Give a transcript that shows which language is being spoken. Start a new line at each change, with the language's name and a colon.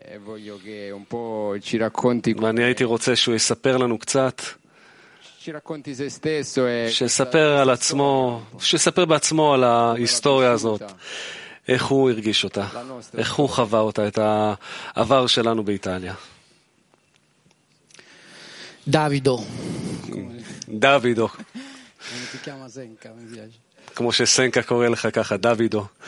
Italian: Voglio che un po' ci racconti.
Hebrew: ואני הייתי רוצה שהוא יספר לנו קצת.
Italian: Ci racconti se stesso e
Hebrew: שספר על עצמו, שספר בעצמו על ההיסטוריה הזאת, איך הוא הרגיש אותה, איך הוא חווה אותה, את העבר שלנו באיטליה.
Italian: Davido. Davido. Come ti chiama Senka, mi piace.
Hebrew: כמו שסנקה קורא לך ככה, דוידו.